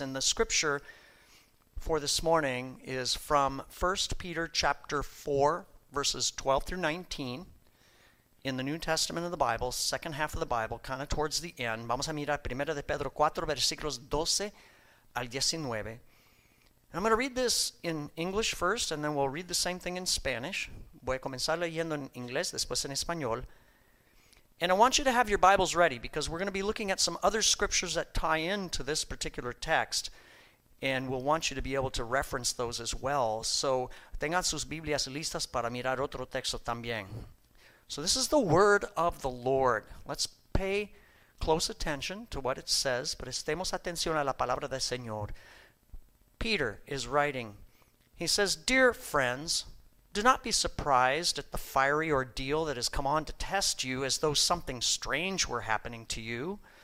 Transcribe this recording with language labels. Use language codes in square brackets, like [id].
[en] And the scripture for this morning is from 1 Peter chapter 4, verses 12 through 19 in the New Testament of the Bible, second half of the Bible, kind of towards the end. [es] Vamos a mirar Primera de Pedro 4, versículos 12 al 19. [en] And I'm going to read this in English first, and then we'll read the same thing in Spanish. [es] Voy a comenzar leyendo en inglés, después en español. [en] And I want you to have your Bibles ready because we're going to be looking at some other scriptures that tie into this particular text. And we'll want you to be able to reference those as well. So, [es] tengan sus Biblias listas para mirar otro texto también. [en] So, this is the word of the Lord. Let's pay close attention to what it says. [es] Prestemos atención a la palabra del Señor. [en] Peter is writing. He says, "Dear friends, do not be surprised at the fiery ordeal that has come on to test you as though something strange were happening to you.